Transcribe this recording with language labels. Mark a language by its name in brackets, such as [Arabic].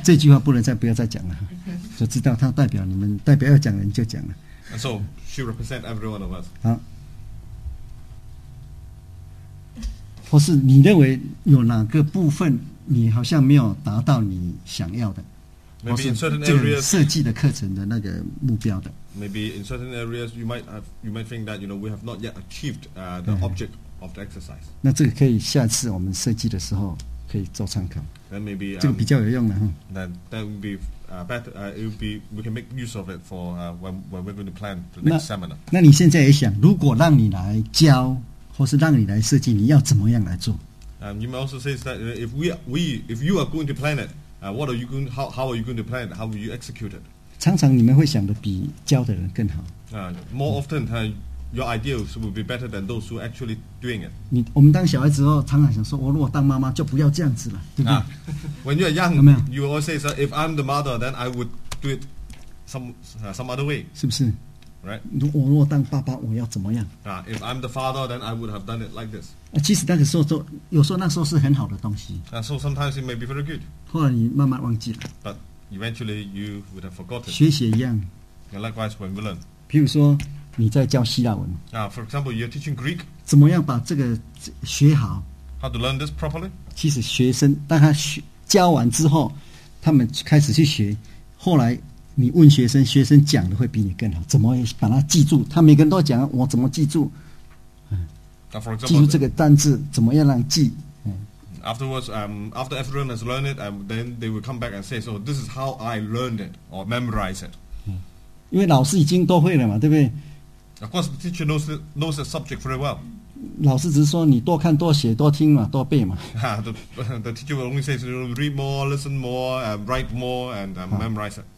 [Chinese] 这句话不能再不要再讲了，就知道他代表你们，代表要讲人就讲了。 [English] And so she represents every one of us. [Chinese] 好，或是你认为有哪个部分你好像没有达到你想要的？ [English] Maybe in certain areas, [Chinese] 设计的课程的那个目标的。 [English] Maybe in certain areas, you might think that, you know, we have not yet achieved the object of the exercise. [Chinese] 那这个可以下次我们设计的时候可以做参考。 [English] Then maybe [Chinese] 这个比较有用的哈。 [English] That would be better. It would be we can make use of it for when we're going to plan the next seminar. [Chinese] 那你现在也想，如果让你来教，或是让你来设计，你要怎么样来做？ [English] You may also say that if you are going to plan it. What are you going? How are you going to plan? How will you execute it? [Chinese] 常常你们会想的比教的人更好。 [English] More often, your ideas will be better than those who are actually doing it. [Chinese] 我们当小孩子哦，常常想说，我如果当妈妈，就不要这样子了，对吧 [English] ？When you are young, [Chinese] 有没有 [English] ？You will always say, "If I'm the mother, then I would do it some other way." [Chinese] 是不是 [English] ？Right. [Chinese] 如果当爸爸，我要怎么样 [English] ？If I'm the father, then I would have done it like this. [Chinese] 其实那个时候都有时候那时候是很好的东西。 [English] So sometimes it may be very good. [Chinese] 后来你慢慢忘记了。 [English] But eventually you would have forgotten. [Chinese] 学习一样。 [English] And likewise when we learn. [Chinese] 譬如说你在教希腊文。 [English] For example, you're teaching Greek. [Chinese] 怎么样把这个学好？ [English] How to learn this properly? [Chinese] 其实学生当他教完之后，他们开始去学。后来你问学生，学生讲的会比你更好。怎么把它记住？他每个人都讲，我怎么记住？ [English] For example, [Chinese] 记住这个单字，怎么样让记？ [English] Afterwards, after everyone has learned it, then they will come back and say, "So this is how I learned it or memorized it." [Chinese] 因为老师已经都会了嘛，对不对 [English] ？Of course, the teacher knows the subject very well. [Chinese] 老师只是说你多看多写多听嘛，多背嘛。 [English] The teacher will only say, "So read more, listen more, write more, and memorize it."